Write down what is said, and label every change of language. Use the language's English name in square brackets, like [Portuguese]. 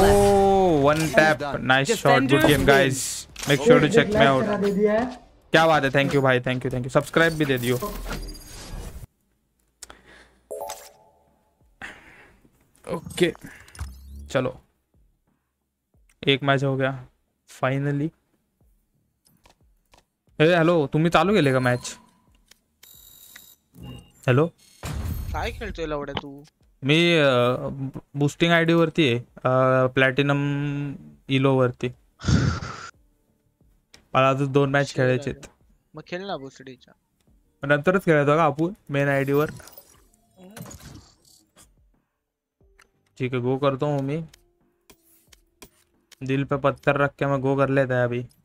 [English] oh one tap nice shot good game guys make sure to check me out [Hindi] क्या बात है thank you भाई thank you subscribe भी दे दियो okay चलो एक मैच हो गया फाइनली अरे हेलो [Marathi] तुम्ही चालू केलेगा मैच [Hindi] हेलो [Marathi] काय खेळतोय लवडे तू मी बूस्टिंग आयडी वरती आहे प्लॅटिनम इलो वरती मला अजून दोन मॅच खेळायचे मग खेळ ना बूस्टीच्या नंतरच खेळतो का आपण मेन आयडी वर [Hindi] ठीक है गो करता हूँ मैं दिल पे पत्थर रख के मैं गो कर लेता है अभी